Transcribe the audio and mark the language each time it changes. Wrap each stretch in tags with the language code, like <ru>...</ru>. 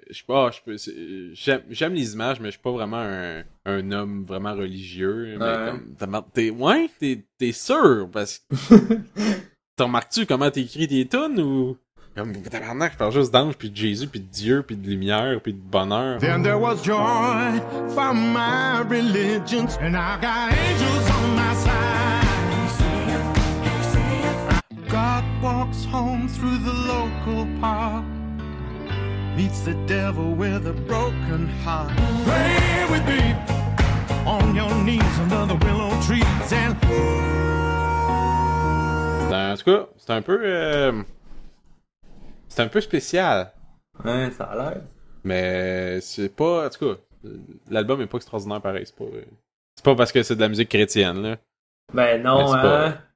<fr>Je sais pas, j'aime les images, mais je suis pas vraiment un homme vraiment religieux, mais Ouais. comme. T'es sûr, parce que. T'en remarques-tu comment t'écris tes tunes ou. Comme tabarnak, je parle juste d'ange, puis de Jésus, puis de Dieu, puis de lumière, puis de bonheur.</fr> <en>Then there was joy for my religion, and I got angels on my side. You see him, you see him. God walks home through the local park, meets the devil with a broken heart. Pray with me, on your knees under the willow trees and</en> <fr>ben, en tout cas, c'est un peu spécial. Ouais, ça a l'air. Mais c'est pas, en tout cas, l'album est pas extraordinaire pareil, c'est pas parce que c'est de la musique chrétienne, là. Ben non, hein. Pas...</fr>